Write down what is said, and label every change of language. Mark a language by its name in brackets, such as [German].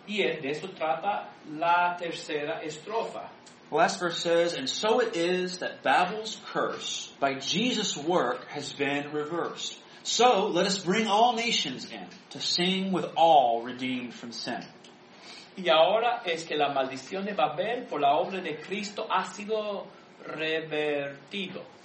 [Spanish] Y de eso trata la tercera estrofa. [English] The last verse says, and so it is that Babel's curse by Jesus' work has been reversed. So, let us bring all nations in to sing with all redeemed from sin. [Spanish] Y ahora es que la maldición de Babel por la obra de Cristo ha sido revertida.